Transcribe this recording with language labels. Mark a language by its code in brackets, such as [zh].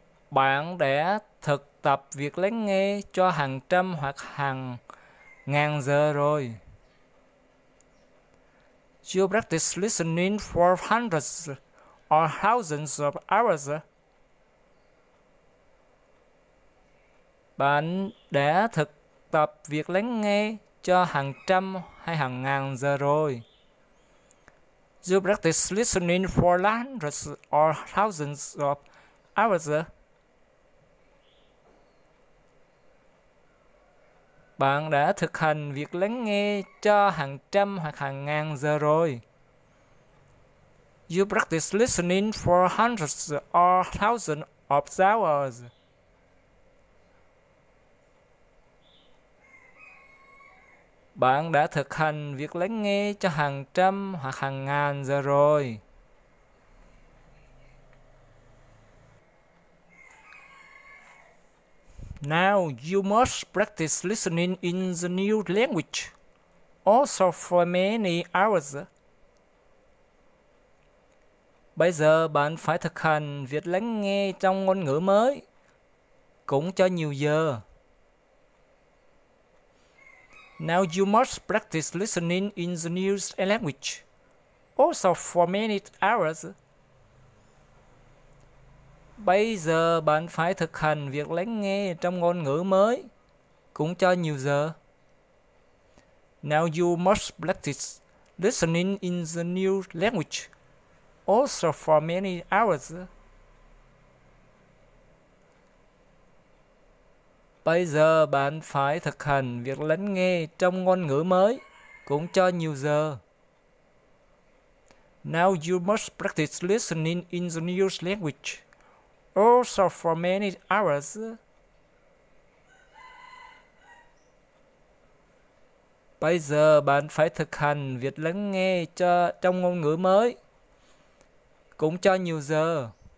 [vi] Bạn đã thực tập việc lắng nghe cho hàng trăm hoặc hàng ngàn giờ rồi. [en] You practice listening for hundreds or thousands of hours. [vi] Bạn đã thực tập việc lắng nghe cho hàng trăm hay hàng ngàn giờ rồi. [en] You practice listening for hundreds or thousands of hours. [vi] Bạn đã thực hành việc lắng nghe cho hàng trăm hoặc hàng ngàn giờ rồi. [en] You practice listening for hundreds or thousands of hours. [vi] Bạn đã thực hành việc lắng nghe cho hàng trăm hoặc hàng ngàn giờ rồi. [en] Now you must practice listening in the new language, also for many hours. [vi] Bây giờ bạn phải thực hành việc lắng nghe trong ngôn ngữ mới, cũng cho nhiều giờ. [en] Now you must practice listening in the new language, also for many hours. [vi] Bây giờ bạn phải thực hành việc lắng nghe trong ngôn ngữ mới, cũng cho nhiều giờ. [en] Now you must practice listening in the new language, also for many hours. [vi] Bây giờ bạn phải thực hành việc lắng nghe trong ngôn ngữ mới, cũng cho nhiều giờ. [en] Now you must practice listening in the new language, also for many hours. [vi] Bây giờ bạn phải thực hành việc lắng nghe cho trong ngôn ngữ mới, cũng cho nhiều giờ.